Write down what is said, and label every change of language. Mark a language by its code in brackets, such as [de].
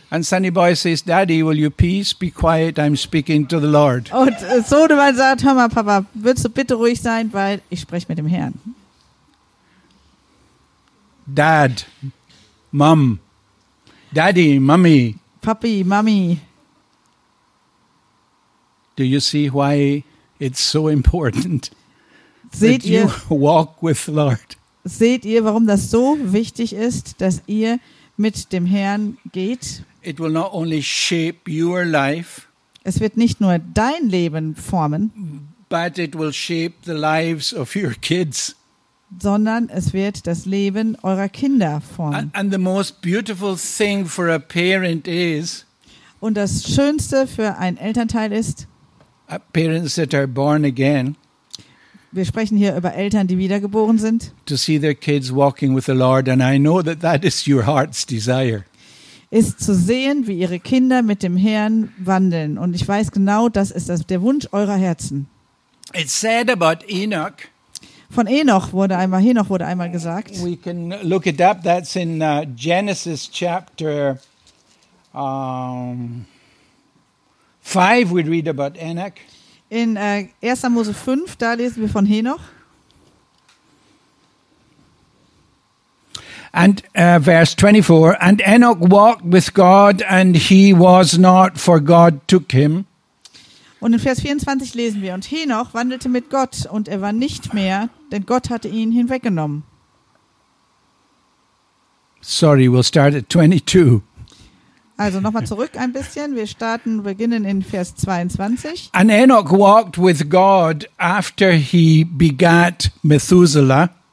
[en] And Sonny boy says, Daddy, will you please be quiet? I'm speaking to the Lord. [de] Und Sohnemann sagt, hör mal, Papa, würdest du bitte ruhig sein, weil ich spreche mit dem Herrn. [en] Dad, Mom, Daddy, Mommy. [de] Papi, Mommy. [en] Do you see why it's so important that you walk with the Lord? [de] Seht ihr, warum das so wichtig ist, dass ihr mit dem Herrn geht? [en] It will not only shape your life, [de] es wird nicht nur dein Leben formen, [en] but it will shape the lives of your kids. [de] Sondern es wird das Leben eurer Kinder formen. [en] And the most beautiful thing for a parent is, [de] und das Schönste für einen Elternteil ist, [en] parents that are born again. [de] Wir sprechen hier über Eltern, die wiedergeboren sind. [en] To see their kids walking with the Lord, and I know that that is your heart's desire. [de] Ist zu sehen, wie ihre Kinder mit dem Herrn wandeln, und ich weiß genau, das ist das, der Wunsch eurer Herzen. [en] It's said about Enoch. [de] Von Enoch wurde einmal, Enoch wurde einmal gesagt. [en] We can look it up. That's in Genesis chapter 5. We read about Enoch. [de] In 1. Mose 5, da lesen wir von Henoch. [en] And verse 24, and Enoch walked with God and he was not, for God took him. [de] Und in Vers 24 lesen wir, und Henoch wandelte mit Gott und er war nicht mehr, denn Gott hatte ihn hinweggenommen. [en] Sorry, we'll start at 22. [de] Also nochmal zurück ein bisschen. Wir starten, beginnen in Vers 22. [en] And Enoch walked with God after he begat Methuselah.